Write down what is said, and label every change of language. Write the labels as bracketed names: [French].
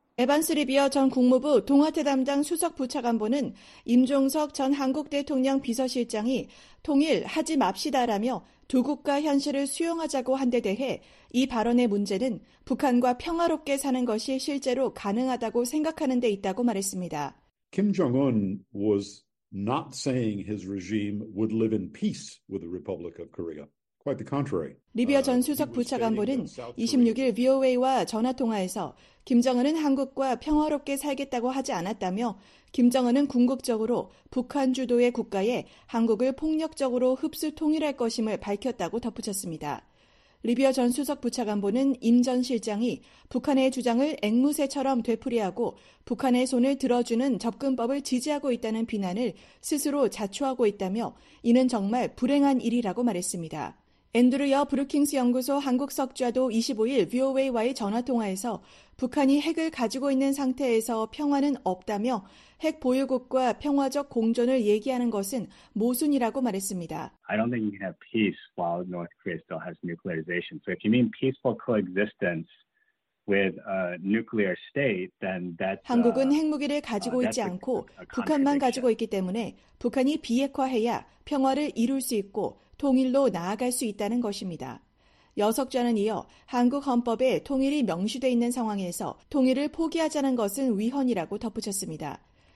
[Korean] 에반스 리비어 전 국무부 동아태 담당 수석 부차관보는 임종석 전 한국 대통령 비서실장이 통일 하지 맙시다라며 두 국가 현실을 수용하자고 한 데 대해 이 발언의 문제는 북한과 평화롭게 사는 것이 실제로 가능하다고 생각하는 데 있다고 말했습니다. [English] Kim Jong-un was not saying his regime would live in peace with the Republic of Korea. Quite the contrary. [Korean] 리비어 전 수석 부차관보는 26일 VOA와 전화통화에서 김정은은 한국과 평화롭게 살겠다고 하지 않았다며 김정은은 궁극적으로 북한 주도의 국가에 한국을 폭력적으로 흡수 통일할 것임을 밝혔다고 덧붙였습니다. 리비어 전 수석 부차관보는 임 전 실장이 북한의 주장을 앵무새처럼 되풀이하고 북한의 손을 들어주는 접근법을 지지하고 있다는 비난을 스스로 자초하고 있다며 이는 정말 불행한 일이라고 말했습니다. 앤드루 여 브루킹스 연구소 한국석좌도 25일 VOA와의 전화통화에서 북한이 핵을 가지고 있는 상태에서 평화는 없다며 핵 보유국과 평화적 공존을 얘기하는 것은 모순이라고 말했습니다. [English] I don't think you can have peace while North Korea still has nuclearization. So if you mean peaceful coexistence with a nuclear state, then that's [Korean] 한국은 핵무기를 가지고 있지 않고 북한만 가지고 있기 때문에 북한이 비핵화해야 평화를 이룰 수 있고 통일로 나아갈 수 있다는 것입니다. 여석자는 이어 한국 헌법에 통일이 명시돼 있는 상황에서 통일을 포기하자는 것은 위헌이라고 덧붙였습니다.